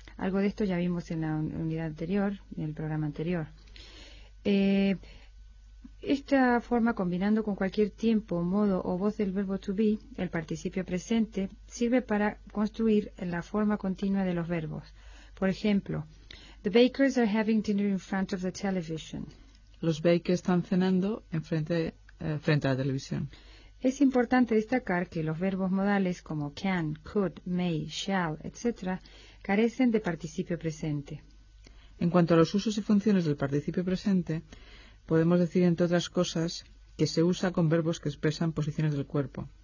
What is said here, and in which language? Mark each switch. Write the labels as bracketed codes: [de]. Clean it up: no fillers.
[es] Algo de esto ya vimos en la unidad anterior, en el programa anterior. Esta forma, combinando con cualquier tiempo, modo o voz del verbo to be, el participio presente, sirve para construir la forma continua de los verbos. Por ejemplo, [en] The bakers are having dinner in front of the television. [es] Los bakers están cenando frente a la televisión. Es importante destacar que los verbos modales como can, could, may, shall, etc., carecen de participio presente. En cuanto a los usos y funciones del participio presente, podemos decir, entre otras cosas, que se usa con verbos que expresan posiciones del cuerpo,